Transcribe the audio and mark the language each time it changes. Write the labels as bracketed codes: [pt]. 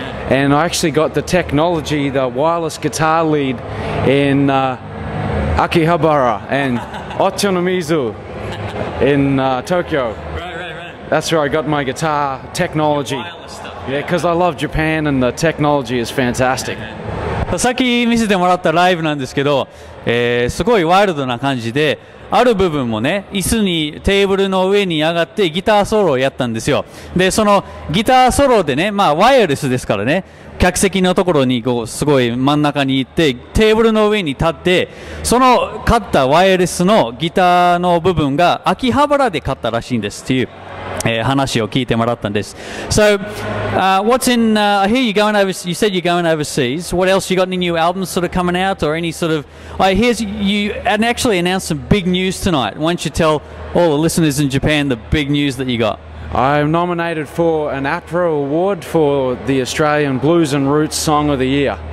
[en] And I actually got the technology, the wireless guitar lead in Akihabara and Otonomizu in Tokyo. Right. That's where I got my guitar technology. Yeah, because I love Japan and the technology is fantastic. [ja] さっき見せてもらったライブなんですけど、すごいワイルドな感じで、ある部分もね、椅子にテーブルの上に上がってギターソロをやったんですよ。で、そのギターソロでね、まあワイヤレスですからね、客席のところにこうすごい真ん中に行ってテーブルの上に立って、その買ったワイヤレスのギターの部分が秋葉原で買ったらしいんですっていう。話を聞いてもらったんです。 [en] So, I hear you're going overseas. You said you're going overseas. What else? You got any new albums sort of coming out or any sort of? I hear you and actually announced some big news tonight. Why don't you tell all the listeners in Japan the big news that you got? I'm nominated for an APRA award for the Australian Blues and Roots Song of the Year.